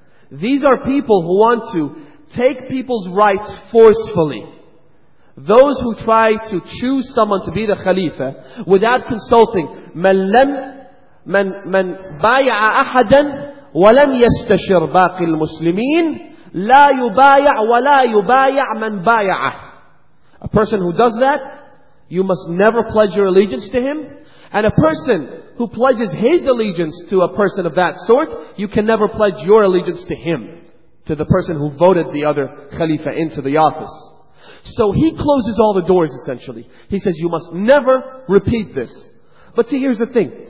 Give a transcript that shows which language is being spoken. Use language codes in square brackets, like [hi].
[en] These are people who want to take people's rights forcefully. Those who try to choose someone to be the Khalifa without consulting, [ar] من بايع أحدا ولم يستشر باقي المسلمين لا يبايع ولا يبايع من بايع. [en] A person who does that, you must never pledge your allegiance to him. And a person who pledges his allegiance to a person of that sort, you can never pledge your allegiance to him, to the person who voted the other Khalifa into the office. So he closes all the doors essentially. He says, you must never repeat this. But see, here's the thing.